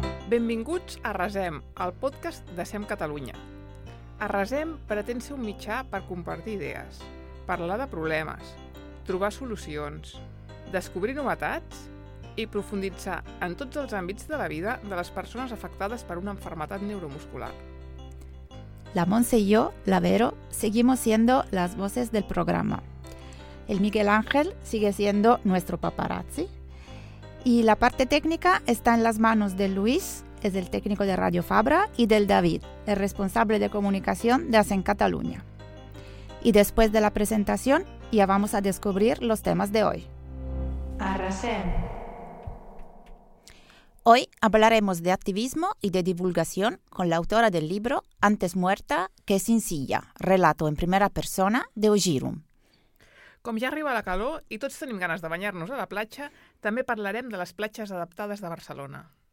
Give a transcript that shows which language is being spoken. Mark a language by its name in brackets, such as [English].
[Catalan] Benvinguts a Resem, el podcast de SEM Catalunya. A Resem pretén ser un mitjà per compartir idees, parlar de problemes, trobar solucions, descobrir novetats i profunditzar en tots els àmbits de la vida de les persones afectades per una malaltia neuromuscular. [Spanish] La Montse y yo, la Vero, seguimos siendo las voces del programa. El Miguel Ángel sigue siendo nuestro paparazzi. Y la parte técnica está en las manos de Luis, es el técnico de Radio Fabra, y del David, el responsable de comunicación de ASEM Cataluña. Y después de la presentación, ya vamos a descubrir los temas de hoy. Arrasen. Hoy hablaremos de activismo y de divulgación con la autora del libro Antes muerta que sin silla, relato en primera persona de Ojirum. [Catalan] Com ja arriba la calor i tots tenim ganes de banyar-nos a la platja, també parlarem de les platges adaptades de Barcelona.